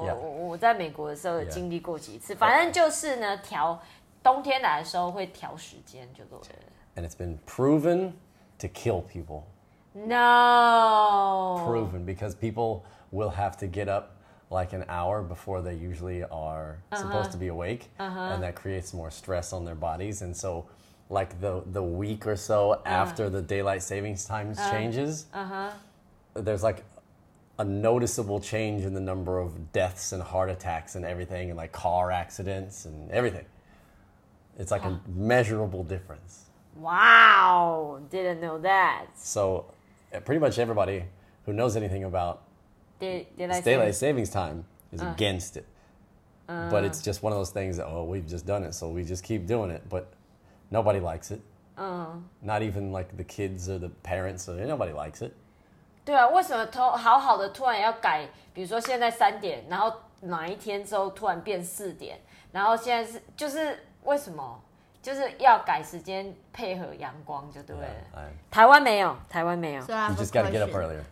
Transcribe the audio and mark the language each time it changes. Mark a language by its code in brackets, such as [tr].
[zh] 我在美国的时候有经历过几次。反正就是呢，调冬天来的时候会调时间，就对了。 [en] And it's been proven to kill people. No. Proven because people will have to get up. Like an hour before they usually are supposed to be awake, and that creates more stress on their bodies. And so, like the week or so after the daylight savings time changes, there's like a noticeable change in the number of deaths and heart attacks and everything, and like car accidents and everything. It's like a measurable difference. Wow, didn't know that. So, pretty much everybody who knows anything aboutDaylight savings time is against it. But it's just one of those things that, we've just done it, so we just keep doing it. But nobody likes it. Not even like the kids or the parents, or nobody likes it. [zh] 对啊，为什么好的突然要改，比如说现在三点，然后哪一天之后突然变四点，然后现在是，就是为什么？就是要改时间配合阳光就对了。台湾没有。 [en] So、I have you just gotta get up earlier.